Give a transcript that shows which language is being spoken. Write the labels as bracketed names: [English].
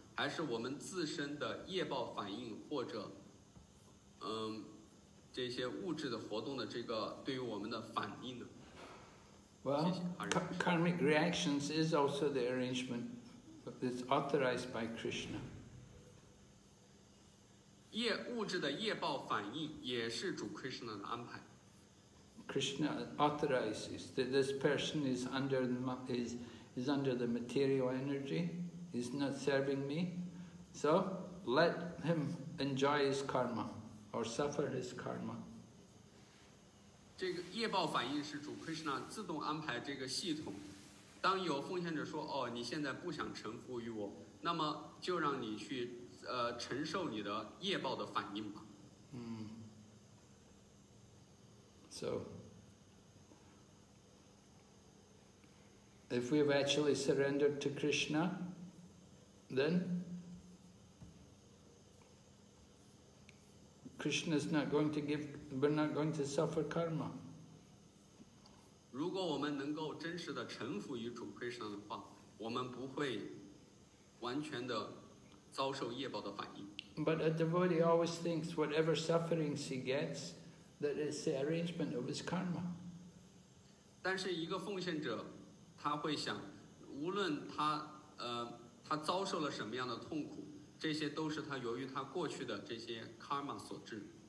[Chinese] 还是我们自身的业报反应或者这些物质的活动的这个对于我们的反应呢？ [English] Well, karmic reactions is also the arrangement that's authorized by Krishna. [Chinese] 业物质的业报反应也是主 Krishna 的安排。 [English] Krishna authorizes that this person is under the material energy, is not serving me, so let him enjoy his karma or suffer his karma. [Chinese] 这个业报反应是主 Krishna 自动安排这个系统，当有奉献者说哦，你现在不想臣服于我，那么就让你去承受你的业报的反应吧。嗯。 [English] So, if we have actually surrendered to Krishna, then Krishna is not going to give, we're not going to suffer karma. [Chinese] 如果我们能够真实的臣服于主 Krishna 的话，我们不会完全的遭受业报的反应。 [English] But a devotee always thinks whatever sufferings he gets, that is the arrangement of his karma. [Chinese] 但是一个奉献者，他会想，无论他他遭受了什么样的痛苦，这些都是他由于他过去的这些 karma 所致。